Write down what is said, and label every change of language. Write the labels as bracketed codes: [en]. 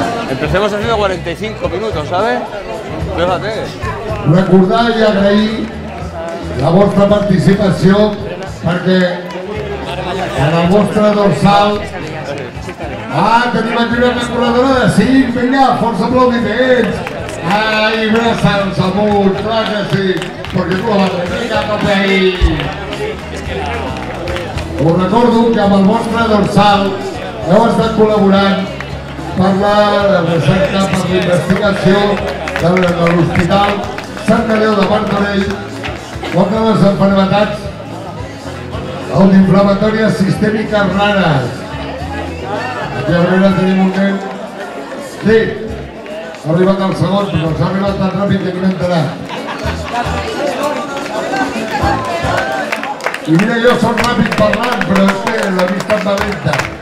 [es] Empecemos haciendo 45 minutos, ¿sabes? Fíjate. [ca] Recordar y agrair la vostra participació, perquè en el vostre dorsal... Ah, tenim aquí una calculadora de 5, vinga, força aplaudiments! Ai, braçals amunt, clar que sí, perquè tu la vas fer, vinga, papai! Us recordo que amb el vostre dorsal heu estat col·laborant per la recerca, per la investigació de l'Hospital Sant Andreu de Martorell, contra les enfermedades autoinflamatòries sistèmiques rares. [es] Y arriba tenemos que... Sí. Arriba está el sabor, pero se arriba tan rápido que no me entrará. Y mira, yo soy rápido para hablar, pero es que la vista está lenta.